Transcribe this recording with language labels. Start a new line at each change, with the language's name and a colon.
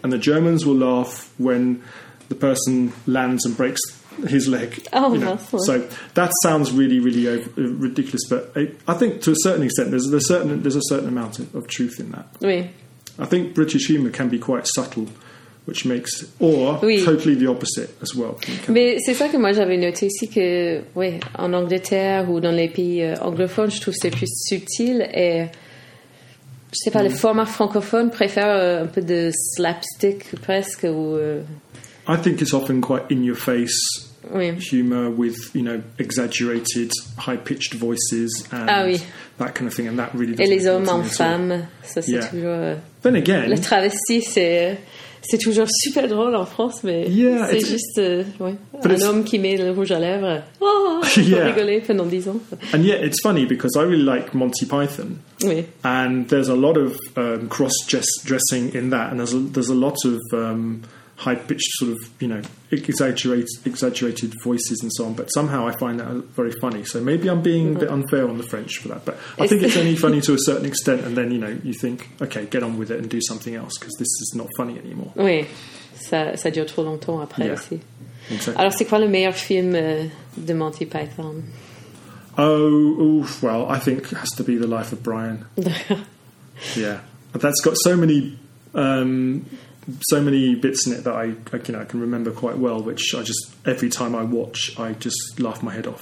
English: And the Germans will laugh when the person lands and breaks his leg. Oh, you know. So that sounds really, really ridiculous, but I think to a certain extent there's a certain amount of truth in that. Oui. I think British humour can be quite subtle, which makes totally the opposite as well.
French: Mais c'est ça que moi j'avais noté aussi, que en Angleterre ou dans les pays anglophones, je trouve c'est plus subtil, et je sais pas, les formats francophones préfèrent un peu de slapstick presque, ou...
English: I think it's often quite in-your-face humour with, you know, exaggerated, high-pitched voices and that kind of thing. And that really doesn't...
French: Et les hommes en femmes, ça c'est toujours...
English: Then again...
French: Le travesti, c'est toujours super drôle en France, mais c'est juste un homme qui met le rouge à lèvres. Oh, pour rigoler pendant 10 ans.
English: And yet, it's funny because I really like Monty Python.
French: Oui.
English: And there's a lot of cross-dressing in that. And there's a lot of... high-pitched sort of, you know, exaggerated voices and so on. But somehow I find that very funny. So maybe I'm being a bit unfair on the French for that. But I think it's only funny to a certain extent. And then, you know, you think, okay, get on with it and do something else, because this is not funny anymore.
French: Oui, ça dure trop longtemps après aussi.
English: Exactly.
French: Alors, c'est quoi le meilleur film de Monty Python?
English: I think it has to be The Life of Brian. Yeah. That's got so many bits in it that I can remember quite well, which I just, every time I watch, I just laugh my head off.